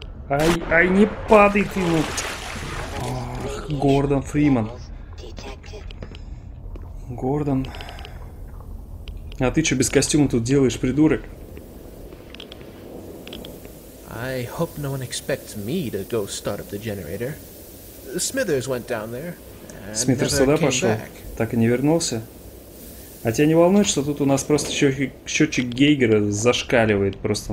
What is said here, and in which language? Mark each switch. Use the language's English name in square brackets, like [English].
[Russian] Ай, ай, не падай ты, ну. Ох, Гордон Фриман. Гордон. А ты что без костюма тут делаешь, придурок? [English] I hope no one expects me to go start up the generator. Smithers went down there. [Russian] Смитерс туда пошел. [English] Back. [Russian] Так и не вернулся. А тебя не волнует, что тут у нас просто счетчик Гейгера зашкаливает просто.